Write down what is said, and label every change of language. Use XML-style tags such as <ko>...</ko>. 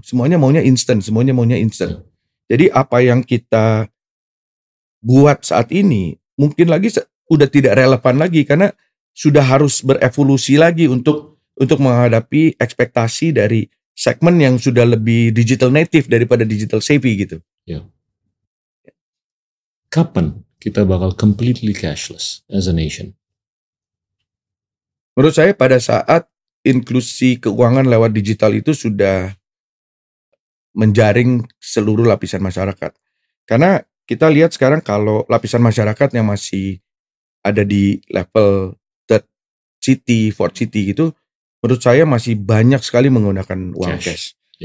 <id>Semuanya maunya instant. Jadi apa yang kita buat saat ini mungkin lagi udah tidak relevan lagi, karena sudah harus berevolusi lagi untuk menghadapi ekspektasi dari segmen yang sudah lebih digital native daripada digital savvy gitu. Ya. Kapan kita bakal</id> <en>completely cashless as a nation?</en> <id>Menurut saya pada saat inklusi keuangan lewat digital itu sudah menjaring seluruh lapisan masyarakat. Karena kita lihat sekarang kalau lapisan masyarakat yang masih ada di level third city, fourth city gitu, menurut saya masih banyak sekali menggunakan uang cash.</id>